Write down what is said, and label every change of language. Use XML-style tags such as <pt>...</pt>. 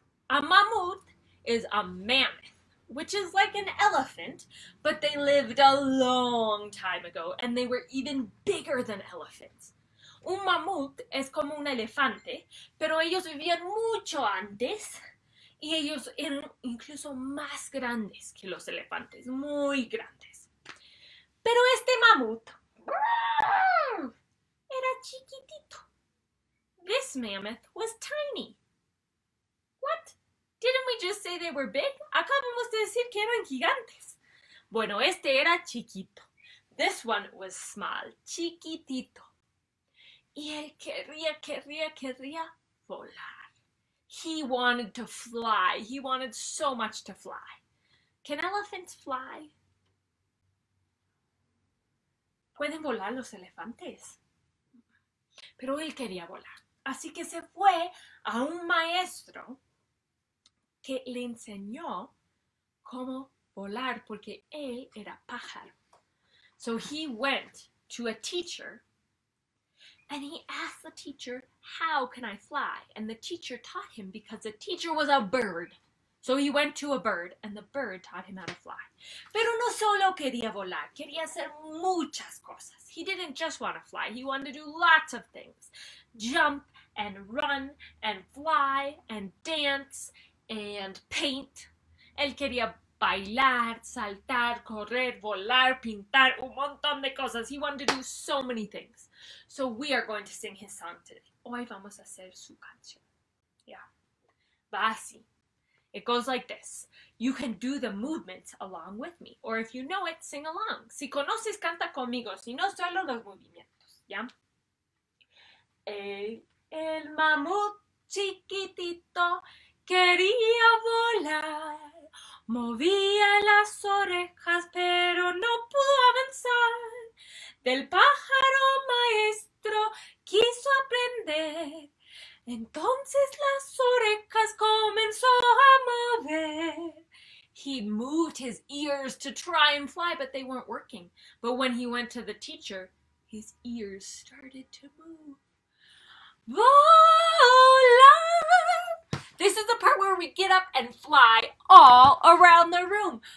<en>A mamut is a mammoth, which is like an elephant, but they lived a long time ago, and they were even bigger than elephants.</en> <es>Un mamut es como un elefante, pero ellos vivían mucho antes, y ellos eran incluso más grandes que los elefantes, muy grandes. Pero este mamut era chiquitito.</es> <en>This mammoth was tiny. What? Didn't we just say they were big?</en> <es>Acabamos de decir que eran gigantes.</es> <en>Bueno, este era chiquito. This one was small, chiquitito.</en> <es>Y él quería volar.</es> <en>He wanted to fly. He wanted so much to fly. Can elephants fly?</en> <es>Pueden volar los elefantes. Pero él quería volar. Así que se fue a un maestro que le enseñó cómo volar, porque él era pájaro.</es> <en>So he went to a teacher, and he asked the teacher, how can I fly? And the teacher taught him because the teacher was a bird. So he went to a bird, and the bird taught him how to fly.</en> <es>Pero no solo quería volar, quería hacer muchas cosas.</es> <en>He didn't just want to fly, he wanted to do lots of things. Jump, and run, and fly, and dance, and paint.</en> <es>Él quería bailar, saltar, correr, volar, pintar, un montón de cosas.</es> <en>He wanted to do so many things. So we are going to sing his song today.</en> <es>Hoy vamos a hacer su canción. Yeah. Va así.</es> <en>It goes like this. You can do the movements along with me. Or if you know it, sing along.</en> <es>Si conoces, canta conmigo. Si no, solo los movimientos. Yeah. El mamut chiquitito quería volar, movía las orejas, pero no pudo avanzar. Del pájaro maestro quiso aprender, entonces las orejas comenzó a mover.</es> <en>He moved his ears to try and fly, but they weren't working. But when he went to the teacher, his ears started to move. Volar. This is the part where we get up and fly all around the room.</en>